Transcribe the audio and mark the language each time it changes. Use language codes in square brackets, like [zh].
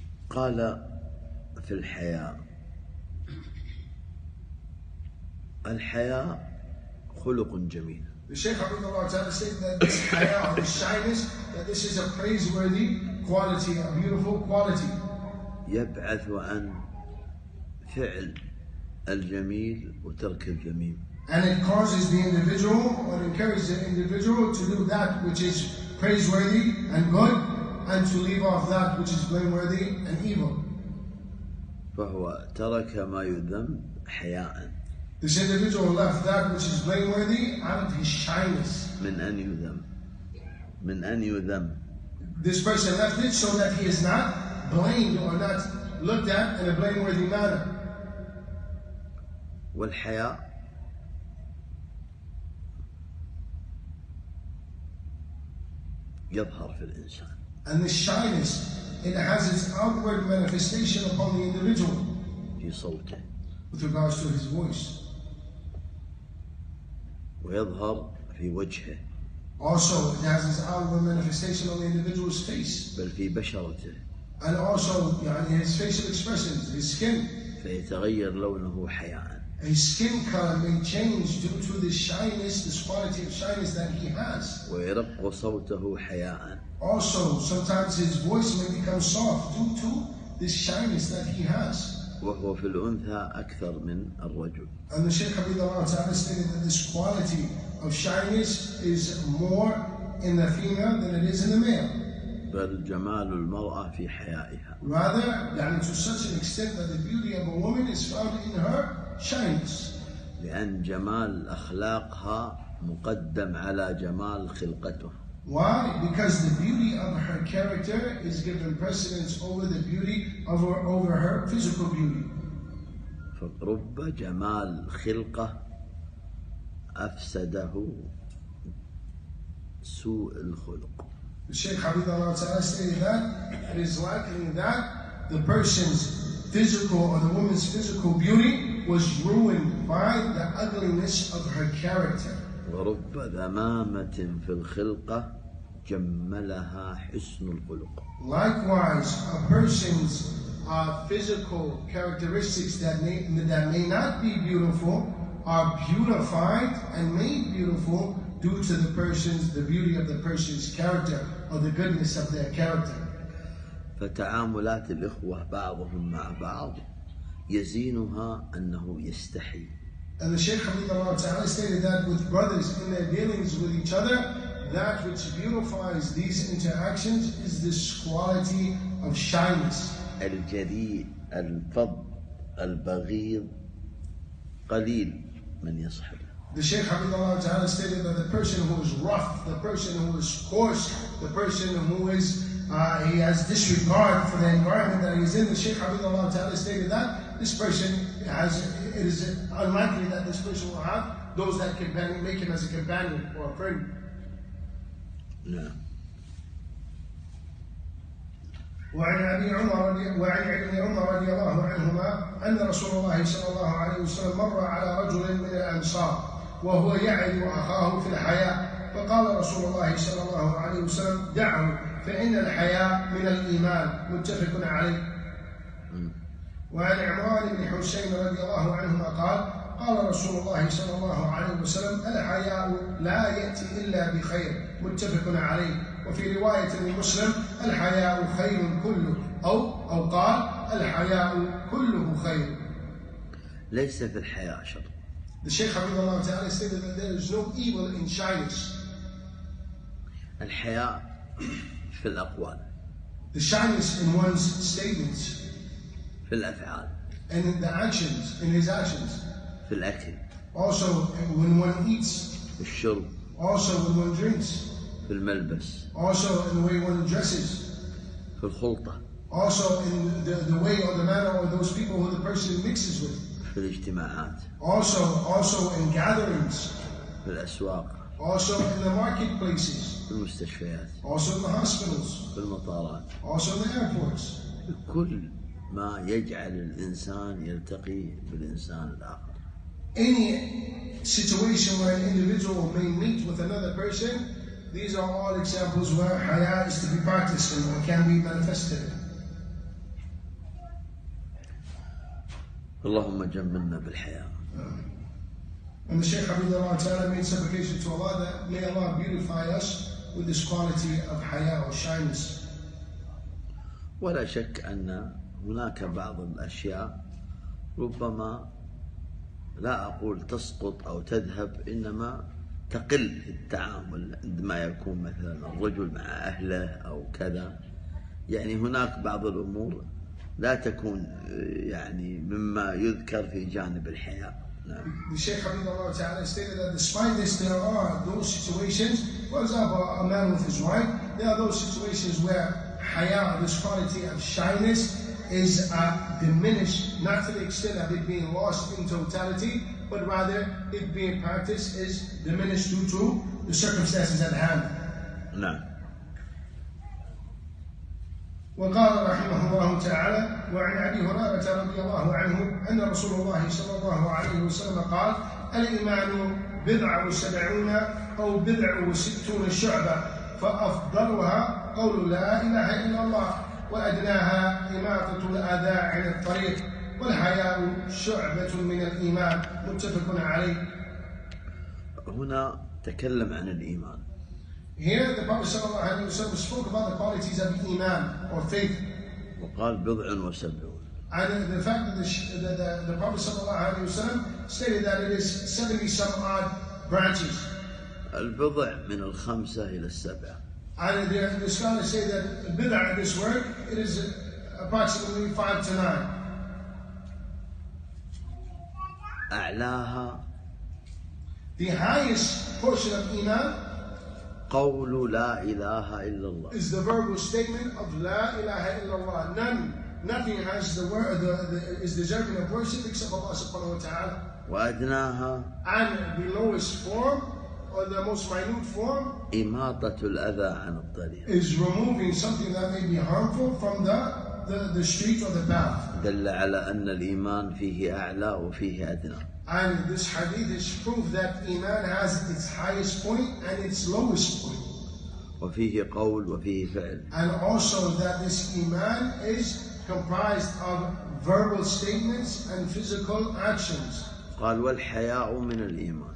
[ar] قال في الحياء الحياء خلق جميل. [en] The Shaykh Abu Dhabi Ta'ala said that this haya, or this shyness, that this is a praiseworthy quality, a beautiful quality. [ar] يبعث عن فعل الجميل وترك الذميم. [en] And it causes the individual, or encourages the individual, to do that which is praiseworthy and good, and to leave off that which is blameworthy and evil. [ar] فهو ترك ما يذم حياء. [en] This individual left that which is blameworthy out of his shyness. [ar] من أن يذم. من أن يذم. [en] This person left it so that he is not blamed or not looked at in a blameworthy manner. [ar] والحياء يظهر في الإنسان. [en] And the shyness, it has its outward manifestation upon the individual. [ar] في صوته. [en] With regards to his voice. [ar] ويظهر في وجهه. [en] Also, it has its outward manifestation on the individual's face. [ar] بل في بشرته. [en] And also, [ar] يعني [en] his facial expressions, his skin. [ar] فيتغير لونه حياء. [en] His skin color may change due to the shyness, this quality of shyness that he has. [ar] ويرق صوته حياء. [en] Also, sometimes his voice may become soft due to this shyness that he has. [ar] وهو في الأنثى أكثر من الرجل. [en] And the Shaykh Habibullah Ta'ala stated that this quality of shyness is more in the female than it is in the male. [ar] بل جمال المرأة في حيائها. [en] Rather, [ar] يعني [en] to such an extent that the beauty of a woman is found in her shyness. [ar] لأن جمال أخلاقها مقدم على جمال خلقته. [en] Why? Because the beauty of her character is given precedence over the beauty of her, over her physical beauty. [ar] فرب جمال خلقة أفسده سوء الخلق. [en] The Shaykh Habibullah Ta'ala stated that it is likely that the person's physical or the woman's physical beauty was ruined by the ugliness of her character. [ar] ورب ذمامة في الخلقة جملها حسن الخلق. [en] Likewise, a person's physical characteristics that may not be beautiful are beautified and made beautiful due to the beauty of the person's character or the goodness of their character. [ar] فتعاملات الإخوة بعضهم مع بعض يزينها أنه يستحي. [en] And the Shaykh Habibullah Ta'ala stated that with brothers in their dealings with each other, that which beautifies these interactions is this quality of shyness. [ar] الجريء الفظ البغيض قليل من يصحب. [en] The Sheikh Hafidhullah Ta'ala stated that the person who is rough, the person who is coarse, the person who is he has disregard for the environment that he is in, the Sheikh Hafidhullah Ta'ala stated that this person has, it is unlikely that this person will have those that can make him as a companion or a friend. No. [ar] وعن ابن عمر رضي الله عنهما ان رسول الله صلى الله عليه وسلم مر على رجل من الانصار وهو يعد اخاه في الحياء فقال رسول الله صلى الله عليه وسلم دعه فان الحياء من الايمان. متفق عليه. وعن عمران بن حسين رضي الله عنهما قال قال رسول الله صلى الله عليه وسلم الحياء لا ياتي الا بخير. متفق عليه. وفي رواية لمسلم الحياء خير كله أو قال الحياء كله خير. ليس في الحياء شر. [en] The Sheikh [ar] رضي الله تعالى [en] stated that there is no evil in shyness. [ar] الحياء في الأقوال. [en] The shyness in one's statements. [ar] في الأفعال. [en] And in the actions, in his actions. [ar] في الأكل. [en] Also when one eats. [ar] في الشرب. [en] Also when one drinks. [ar] في الملبس. [en] Also in the way one dresses. [ar] في الخلطة. [en] Also in the way or the manner of those people who the person mixes with. [ar] في الاجتماعات. [en] Also in gatherings. [ar] في الأسواق. [en] Also in the marketplaces. [ar] في المستشفيات. [en] Also in the hospitals. [ar] في المطارات. [en] Also in the airports. [ar] في كل ما يجعل الإنسان يلتقي بالإنسان الآخر. [en] Any situation where an individual may meet with another person. These are all examples where haya is to be practiced and can be manifested. [ar] Allahumma jammilna bil haya. [en] And the Shaykh Abdullah Ta'ala made supplication to Allah that may Allah beautify us with this quality of haya or shyness. [ar] ولا شك أن هناك بعض الأشياء ربما لا أقول تسقط أو تذهب إنما تقل التعامل عندما يكون مثلا الرجل مع أهله أو كذا. يعني هناك بعض الأمور لا تكون يعني مما يذكر في جانب الحياة. [en] The Shaykh Hafidhullah Ta'ala stated that despite this there are those situations, for example a man with his wife, there are those situations where haya, this quality of shyness is diminished, not to the extent of it being lost in totality, but rather it being practiced is diminished due to the circumstances at hand. No. [ar] وقال رحمه الله تعالى وعن أبي هريرة رضي الله عنه أن رسول الله صلى الله عليه وسلم قال الإيمان 70 أو 60 شعبة فأفضلها قول لا إله إلا الله وأدناها إماطة الأذى عن الطريق والحياء شعبة من الإيمان. متفق عليه. هنا تكلم عن الإيمان. [en] Here the Prophet [ar] صلى الله عليه وسلم [en] spoke about the qualities of iman or faith. [ar] وقال 70. [en] And the fact that the Prophet [ar] صلى الله عليه وسلم [en] stated that it is 70 some odd branches. [ar] البضع من الخمسة إلى السبعة. [en] And the scholars say that بضع this word it is approximately 5 to 9. [ar] أعلاها [en] the highest portion of iman [ar] قول لا إله إلا الله [en] is the verbal statement of [ar] لا إله إلا الله. [en] Nothing has the word is the jargon of worship except Allah subhanahu wa ta'ala. [ar] وأدناها [en] and the lowest form or the most minute form [ar] إماطة الأذى عن الطريق [en] is removing something that may be harmful from the street or the path. [ar] دل على أن الإيمان فيه أعلى وفيه أدنى. [en] And this hadith is proof that iman has its highest point and its lowest point. [ar] وفيه قول وفيه فعل. [en] And also that this iman is comprised of verbal statements and physical actions. [ar] قال والحياء من الإيمان.